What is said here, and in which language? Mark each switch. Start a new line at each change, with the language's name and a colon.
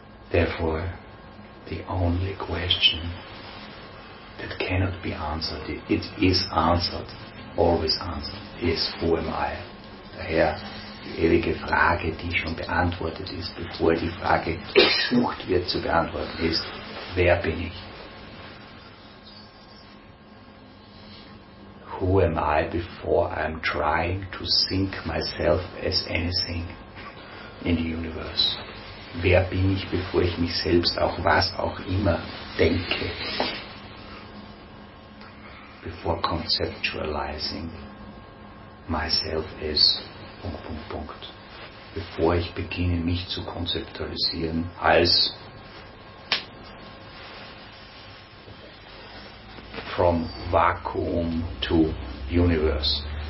English: Therefore, the only question that cannot be answered, it is answered, always answered, is who am I?
German: Daher die ewige Frage, die schon beantwortet ist, bevor die Frage gesucht wird zu beantworten, ist, wer bin ich?
English: Who am I before I am trying to think myself as anything in the universe?
German: Wer bin ich, bevor ich mich selbst auch was auch immer denke?
English: Before conceptualizing myself as
German: Punkt, Punkt, Punkt. Bevor ich beginne, mich zu konzeptualisieren als
English: from Vakuum to Universe.